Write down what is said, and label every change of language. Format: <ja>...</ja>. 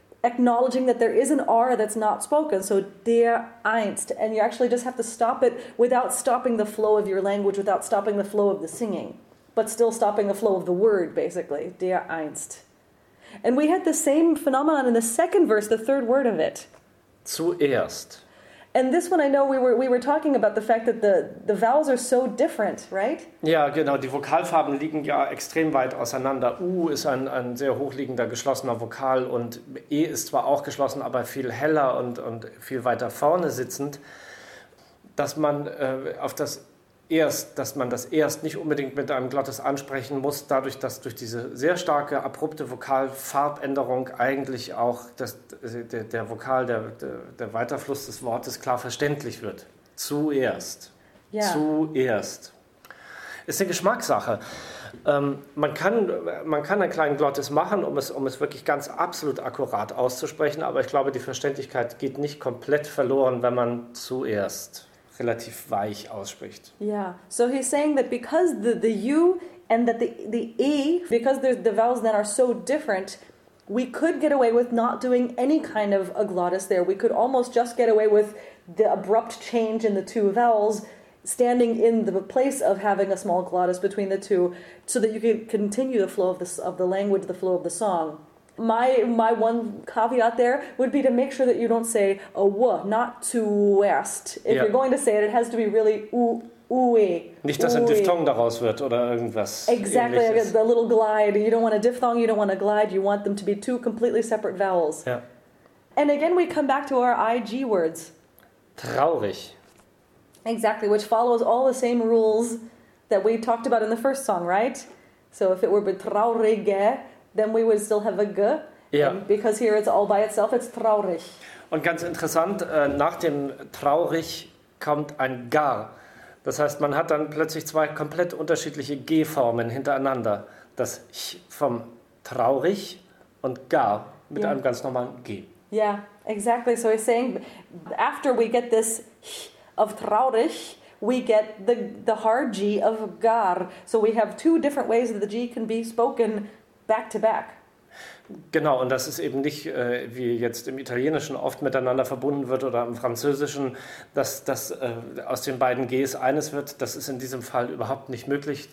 <en>acknowledging that there is an R that's not spoken, so der Einst, and you actually just have to stop it without stopping the flow of your language, without stopping the flow of the singing, but still stopping the flow of the word, basically, der Einst. And we had the same phenomenon in the second verse, the third word of it.</en> <de>Zuerst.</de> <en>And this one, I know we were talking about the fact that the vowels are so different, right?</en> <de>Ja, genau. Die Vokalfarben liegen ja extrem weit auseinander. U ist ein sehr hochliegender, geschlossener Vokal. Und E ist zwar auch geschlossen, aber viel heller und viel weiter vorne sitzend. Dass man auf das Erst, dass man das Erst nicht unbedingt mit einem Glottis ansprechen muss, dadurch, dass durch diese sehr starke, abrupte Vokalfarbänderung eigentlich auch der Weiterfluss des Wortes klar verständlich wird. Zuerst. Ja. Zuerst. Ist eine Geschmackssache. Man kann einen kleinen Glottis machen, um es wirklich ganz absolut akkurat auszusprechen, aber ich glaube, die Verständlichkeit geht nicht komplett verloren, wenn man zuerst relativ weich ausspricht.</de> <en>Yeah, so he's saying that because the U and that the E, because the vowels then are so different, we could get away with not doing any kind of a glottis there. We could almost just get away with the abrupt change in the two vowels standing in the place of having a small glottis between the two so that you can continue the flow of the language, the flow of the song. My one caveat there would be to make sure that you don't say a w, not zuerst. If you're going to say it, it has to be really ue.</en> <de>Nicht, dass ein Diphthong daraus wird oder irgendwas.</de> <en>Exactly, the little glide. You don't want a diphthong, you don't want a glide. You want them to be two completely separate vowels. Yeah. And again, we come back to our IG words.</en> <de>Traurig.</de> <en>Exactly, which follows all the same rules that we talked about in the first song, right? So if it were betraurige, then we would still have a G, yeah. Because here it's all by itself, it's traurig.</en> <de>Und ganz interessant, nach dem traurig kommt ein gar. Das heißt, man hat dann plötzlich zwei komplett unterschiedliche G-Formen hintereinander. Das Ch vom traurig und gar mit einem ganz normalen G.</de> <en>Yeah, exactly. So he's saying, after we get this Ch of traurig, we get the hard G of gar. So we have two different ways that the G can be spoken back to back.</en> <de>Genau, und das ist eben nicht, wie jetzt im Italienischen oft miteinander verbunden wird oder im Französischen, dass aus den beiden Gs eines wird. Das ist in diesem Fall überhaupt nicht möglich.</de>